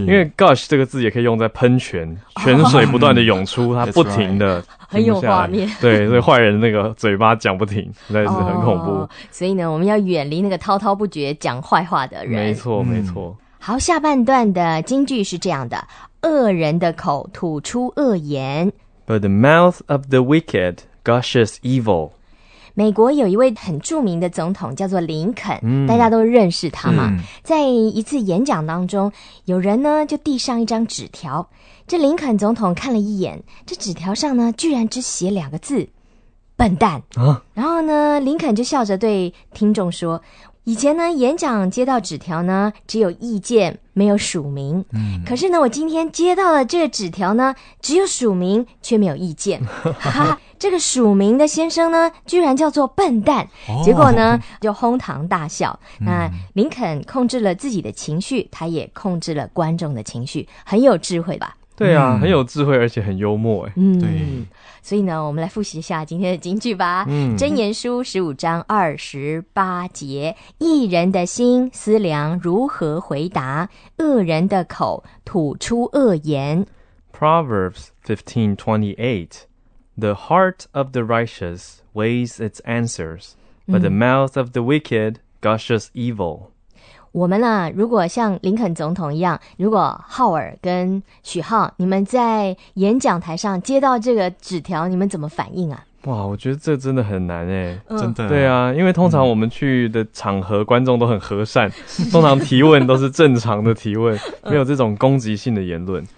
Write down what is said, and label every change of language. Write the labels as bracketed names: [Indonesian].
[Chinese] 因为 gush 这个字也可以用在喷泉，泉水不断的涌出，它不停的。很有画面，对，所以坏人那个嘴巴讲不停，实在是很恐怖。所以呢，我们要远离那个滔滔不绝讲坏话的人。没错，没错。好，下半段的金句是这样的：恶人的口吐出恶言。 [English] But the mouth of the wicked gushes evil. [Chinese] 美国有一位很著名的总统叫做林肯，大家都认识他嘛。在一次演讲当中，有人呢就递上一张纸条。这林肯总统看了一眼，这纸条上呢，居然只写两个字，笨蛋。然后呢，林肯就笑着对听众说，以前呢，演讲接到纸条呢，只有意见，没有署名。可是呢，我今天接到了这个纸条呢，只有署名，却没有意见。哈哈，这个署名的先生呢，居然叫做笨蛋。结果呢，就哄堂大笑。那林肯控制了自己的情绪，他也控制了观众的情绪，很有智慧吧。对啊，很有智慧，而且很幽默对。所以呢，我们来复习一下今天的金句吧。箴言书15章28节，义人的心思量如何回答，恶人的口吐出恶言。 [English] Proverbs 15:28 The heart of the righteous weighs its answers, but the mouth of the wicked gushes evil. [Chinese] 我们啊，如果像林肯总统一样，如果浩尔跟许浩你们在演讲台上接到这个纸条，你们怎么反应啊？哇，我觉得这真的很难真的。对啊，因为通常我们去的场合观众都很和善，通常提问都是正常的提问，没有这种攻击性的言论。